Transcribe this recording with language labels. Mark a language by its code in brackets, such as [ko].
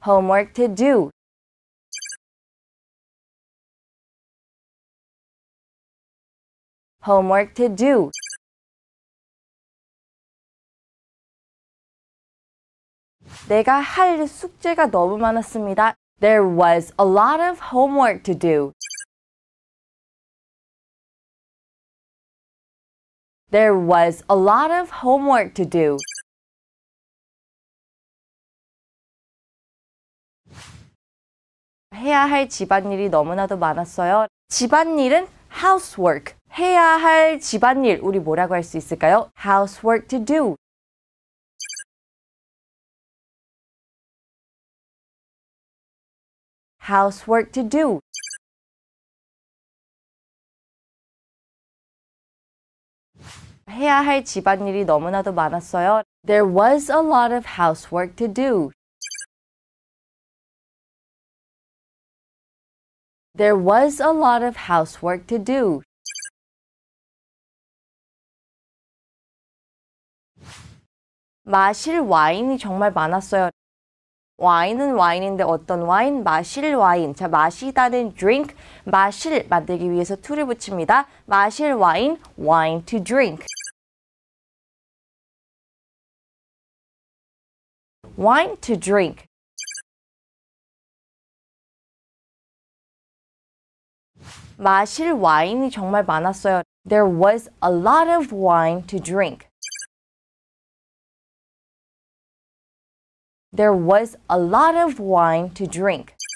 [en] Homework to do. Homework to do. [ko] 내가 할 숙제가 너무 많았습니다. [en] There was a lot of homework to do. There was a lot of homework to do. [ko] 해야 할 집안일이 너무나도 많았어요. 집안일은 housework. 해야 할 집안일, 우리 뭐라고 할 수 있을까요? [en] Housework to do. Housework to do. [ko] 해야 할 집안일이 너무나도 많았어요. [en] There was a lot of housework to do. There was a lot of housework to do. [ko] 마실 와인이 정말 많았어요. 와인은 와인인데 어떤 와인? 마실 와인. 자, 마시다는 drink, 마실 만들기 위해서 to를 붙입니다. 마실 와인, [en] wine to drink. Wine to drink. [ko] 마실 와인이 정말 많았어요. [en] There was a lot of wine to drink. There was a lot of wine to drink.